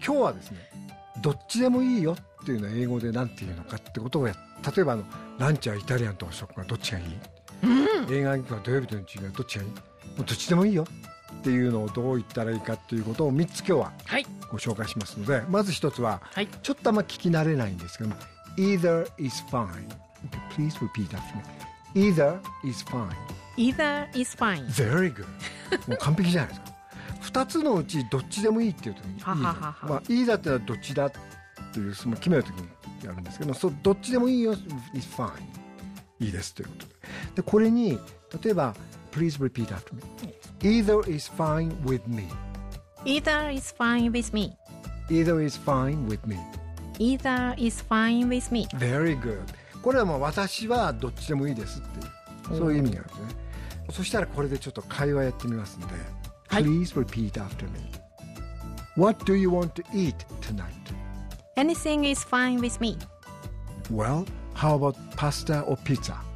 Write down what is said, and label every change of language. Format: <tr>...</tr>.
<ja>今日はですね、どっちでもいいよっていうのは英語でなんていうのかってことをやっ、例えばランチはイタリアンと和食がどっちがいい、映画は土曜日との違いはどっちがいい、もうどっちでもいいよっていうのをどう言ったらいいかっていうことを3つ今日はご紹介しますので、はい、まず1つは、はい、ちょっとあんま聞き慣れないんですけど、</ja> <en>Either is fine. Okay, please repeat after me. Either is fine. Either is fine. Very good.</en> <ja>もう完璧じゃないですか。2つのうちどっちでもいいっていうときに、まあ、Either ってのはどっちだっていう、その決めるときにやるんですけど、そう、どっちでもいいよ、</ja> <en>is fine、</en> <ja>いいですということ で、 でこれに例えば</ja> <en>Please repeat after me. Either is fine with me. Either is fine with me. Either is fine with me. Either is fine with me. Very good.</en> <ja>これはもう私はどっちでもいいですっていう、そういう意味があるんですね。そしたらこれでちょっと会話やってみますんで、はい、</ja> <en>Please repeat after me. What do you want to eat tonight? Anything is fine with me. Well, how about pasta or pizza?</en>